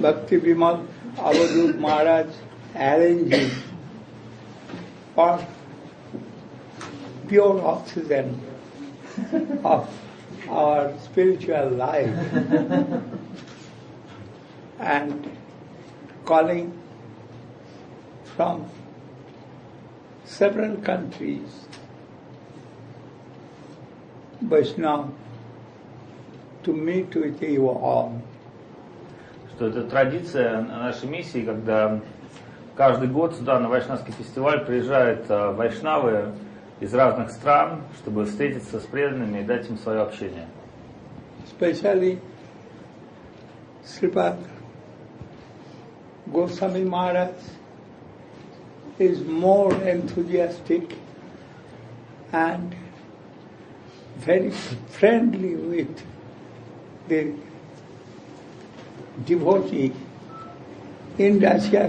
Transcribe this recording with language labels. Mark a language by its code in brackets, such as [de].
[en] Bhakti Vimal Avadhut Maharaj arranges for pure oxygen of our spiritual life and calling from several countries Vaishnav to meet with you all. [ru] Что это традиция нашей миссии, когда каждый год сюда на Вайшнавский фестиваль приезжают вайшнавы из разных стран, чтобы встретиться с преданными и дать им свое общение. [en] Especially Sripad Goswami Maharaj is more enthusiastic and very friendly with the devotee in Russia.